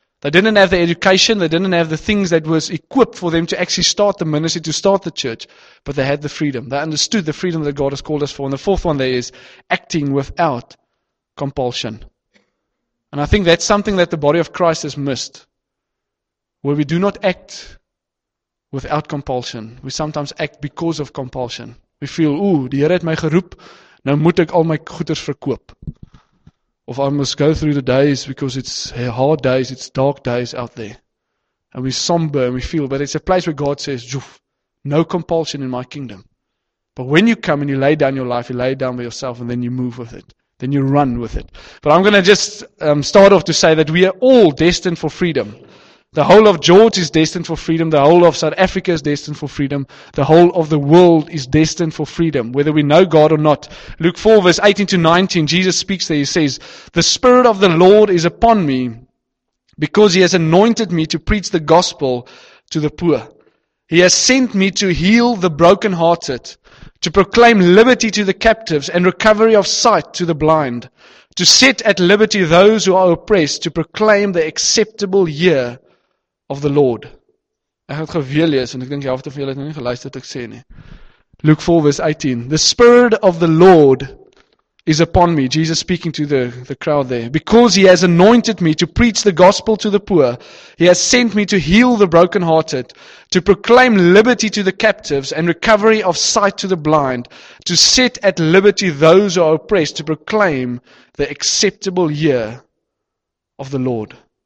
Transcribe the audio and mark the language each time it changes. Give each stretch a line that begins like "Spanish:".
English: They didn't have the education, they didn't have the things that was equipped for them to actually start the ministry, to start the church, but they had the freedom. They understood the freedom that God has called us for. And the fourth one there is acting without compulsion. And I think that's something that the body of Christ has missed, where we do not act without compulsion. We sometimes act because of compulsion. We feel, ooh,
Afrikaans: die Here het my geroep, nou moet ek al my goeders verkoop.
English: Of I must go through the days because it's hard days, it's dark days out there. And we somber and we feel, but it's a place where God says, no compulsion in my kingdom. But when you come and you lay down your life, you lay it down by yourself and then you move with it. Then you run with it. But I'm going to just start off to say that we are all destined for freedom. The whole of George is destined for freedom. The whole of South Africa is destined for freedom. The whole of the world is destined for freedom, whether we know God or not. Luke 4 verse 18 to 19, Jesus speaks there. He says, the Spirit of the Lord is upon me because he has anointed me to preach the gospel to the poor. He has sent me to heal the brokenhearted, to proclaim liberty to the captives and recovery of sight to the blind, to set at liberty those who are oppressed, to proclaim the acceptable year of the Lord.
Afrikaans: Ek het geweer lees, en ek dink jy half te veel het nie geluister wat ek sê nie.
English: Luke 4 verse 18. The Spirit of the Lord is upon me. Jesus speaking to the crowd there. Because he has anointed me to preach the gospel to the poor. He has sent me to heal the brokenhearted, to proclaim liberty to the captives and recovery of sight to the blind, to set at liberty those who are oppressed, to proclaim the acceptable year of the Lord.